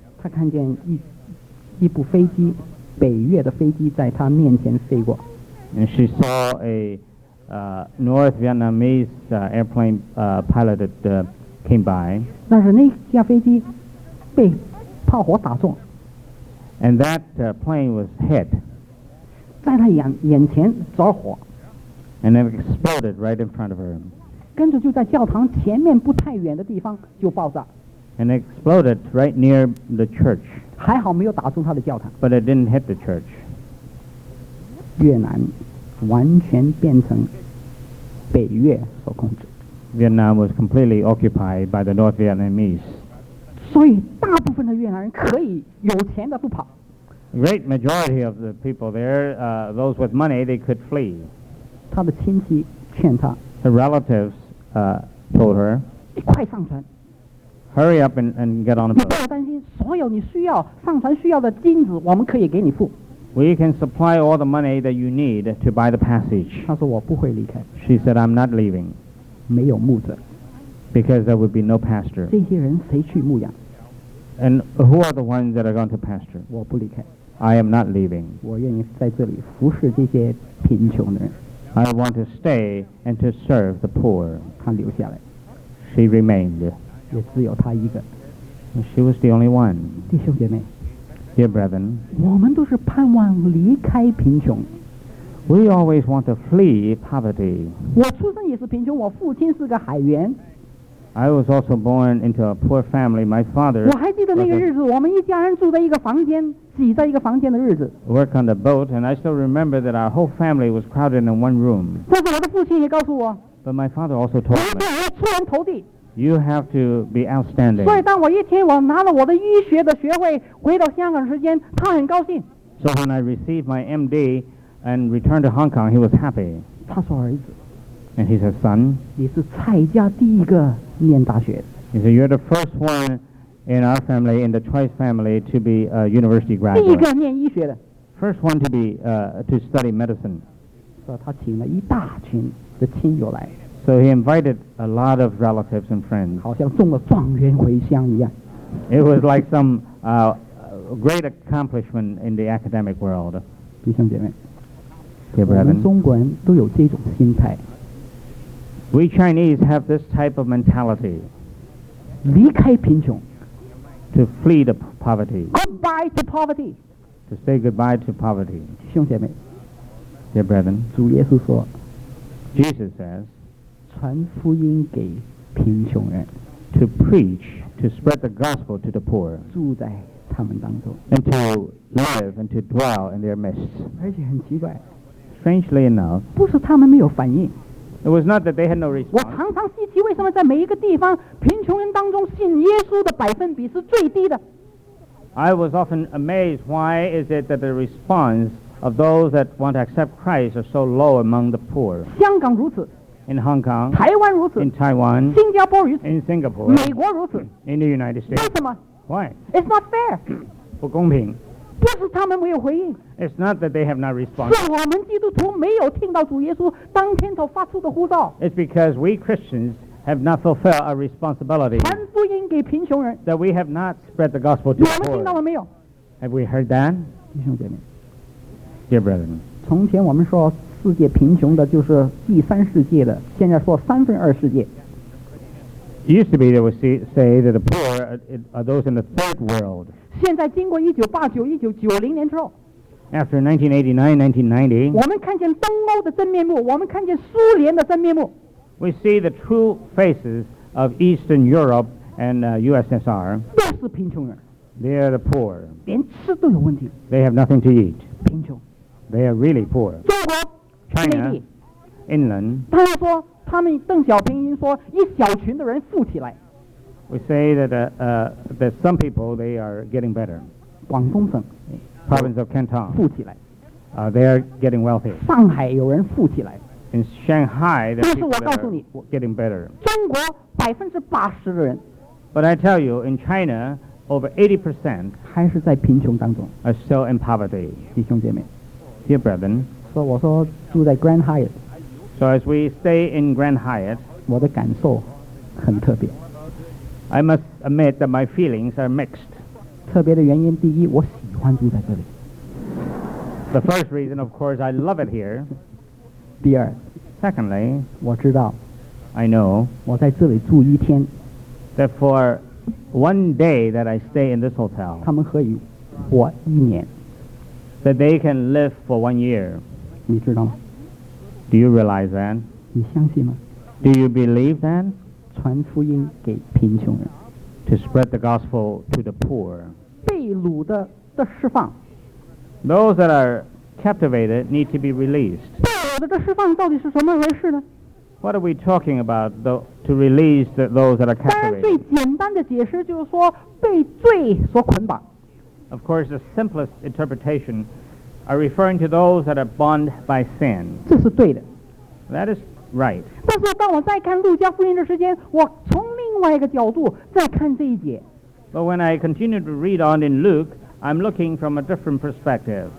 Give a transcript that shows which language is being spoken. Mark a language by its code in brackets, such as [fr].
[zh] 她看见一部飞机，北越的飞机在她面前飞过。 [en] And she saw a North Vietnamese airplane pilot that came by. [zh] 但是那架飞机被炮火打中。 [en] And that plane was hit. [zh] 在她眼前着火。 [en] And it exploded right in front of her. [zh] 跟着就在教堂前面不太远的地方就爆炸。 [en] And it exploded right near the church. [zh] 还好没有打中她的教堂。 [en] But it didn't hit the church. [zh] 越南完全变成北越所控制。 [en] Vietnam was completely occupied by the North Vietnamese. [zh] 所以大部分的越南人可以有钱的不跑。 [en] Great majority of the people there, those with money, they could flee. [zh] 他的亲戚劝他。 [en] Her relatives, told her. [zh] 你快上船。 [en] Hurry up and get on the boat. [zh] 你不要担心，所有你需要上船需要的金子，我们可以给你付。 [en] We can supply all the money that you need to buy the passage. [zh] 她说我不会离开。 [en] She said, I'm not leaving. [zh] 没有牧者。 [en] Because there would be no pastor. [zh] 这些人谁去牧养？ [en] And who are the ones that are going to pastor? [zh] 我不离开。 [en] I am not leaving. [zh] 我愿意在这里服侍这些贫穷的人。 [en] I want to stay and to serve the poor. [zh] 她留下来。 [en] She remained. [zh] 也只有她一个。 [en] And she was the only one. [zh] 弟兄姐妹。 [en] Dear brethren, [zh] 我们都是盼望离开贫穷。 [en] We always want to flee poverty. [zh] 我出生也是贫穷，我父亲是个海员。 [en] I was also born into a poor family. My father. [zh] 我还记得那个日子，我们一家人住在一个房间，挤在一个房间的日子。 [en] Work on the boat, and I still remember that our whole family was crowded in one room. [zh] 但是我的父亲也告诉我。 [en] But my father also told me. [zh] 你一定要出人头地。 [en] You have to be outstanding. [zh] 所以当我一天我拿了我的医学的学位回到香港时间，他很高兴。 [en] So when I received my MD and returned to Hong Kong, he was happy. [zh] 他说儿子。 [en] And he said, son. [zh] 你是蔡家第一个念大学。 [en] He said, you're the first one in our family, in the Trice family, to be a university graduate. [zh] 第一个念医学的。 [en] First one to be, to study medicine. [zh] 所以他请了一大群的亲友来。 [en] So he invited a lot of relatives and friends. [zh] 好像中了状元回乡一样。 [en] It was like some great accomplishment in the academic world. [zh] 弟兄姐妹， [en] Dear brethren, [zh] 我们中国人都有这种心态。 [en] We Chinese have this type of mentality. [zh] 离开贫穷。 [en] To flee the poverty. Goodbye to poverty. To say goodbye to poverty. [zh] 弟兄姐妹， [en] Dear brethren, [zh] 主耶稣说， [en] Jesus says, [zh] 传福音给贫穷人 [en] to preach, to spread the gospel to the poor, [zh] 住在他们当中 [en] and to live and to dwell in their midst. [zh] 而且很奇怪 [en] strangely enough, [zh] 不是他们没有反应 [en] it was not that they had no response. [zh] 我常常稀奇为什么在每一个地方贫穷人当中信耶稣的百分比是最低的 [en] I was often amazed why is it that the response of those that want to accept Christ are so low among the poor. [zh] 香港如此 [en] In Hong Kong, [zh] 台湾如此 [en] in Taiwan, [zh] 新加坡如此 [en] in Singapore, [zh] 美国如此 [en] in the United States. [zh] 为什么 [en] Why? It's not fair. [zh] 不公平不是他们没有回应 [en] It's not that they have not responded. [zh] 是我们基督徒没有听到主耶稣当天所发出的呼召 [en] It's because we Christians have not fulfilled our responsibility. [zh] 传福音给贫穷人 [en] that we have not spread the gospel to the poor. [zh] 我们听到了没有 [en] Have we heard that? [zh] 弟兄姐妹 [en] Dear brethren, [zh] 从前我们说世界贫穷的就是第三世界的现在说三分二世界 [en] It used to be they would say that the poor are those in the third world [zh] 现在经过1989-1990年之后 [en] After 1989-1990 [zh] 我们看见东欧的真面目我们看见苏联的真面目 [en] We see the true faces of Eastern Europe and USSR [zh] 都是贫穷人 [en] They are the poor [zh] 连吃都有问题 [en] They have nothing to eat [zh] 贫穷 [en] They are really poor [zh] 中国 [en] China, inland. [zh] 他们说，他们邓小平已经说，一小群的人富起来。 [en] We say that that some people they are getting better. [zh] 广东省 [en] province of Canton [zh] 富起来。 [en] They are getting wealthy. [zh] 上海有人富起来。 [en] In Shanghai, [zh] 但是我告诉你 [en] getting better. [zh] 中国80%的人。 [en] But I tell you, in China, over 80% [zh] 还是在贫穷当中。 [en] Are still in poverty. [zh] 弟兄姐妹 [en] ，Dear brethren. [zh] 所以我说住在 Grand Hyatt [en] So as we stay in Grand Hyatt [zh] 我的感受很特别 [en] I must admit that my feelings are mixed. [zh] 特别的原因第一，我喜欢住在这里。 [en] The first reason, of course, I love it here. [zh] 第二 [en] Secondly, [zh] 我知道 [en] I know [zh] 我在这里住一天 [en] that for one day that I stay in this hotel [zh] 他们可以活一年 [en] that they can live for one year. [zh] 你知道吗？ [en] Do you realize that? [zh] 你相信吗? [en] Do you believe that? [zh] 传福音给贫穷人。 [en] To spread the gospel to the poor. [zh] 被掳的的释放。 [en] Those that are captivated need to be released. [zh] 被掳的的释放到底是什么回事呢? [en] What are we talking about to release those that are captivated? [zh] 当然最简单的解释就是说被罪所捆绑。 [en] Of course, the simplest interpretationare referring to those that are bound by sin. [zh] 这是对的。 [en] That is right. [zh] 但是当我在看路加福音的时间，我从另外一个角度在看这一节。 [en] But when I continue to read on in Luke, I'm looking from a different perspective.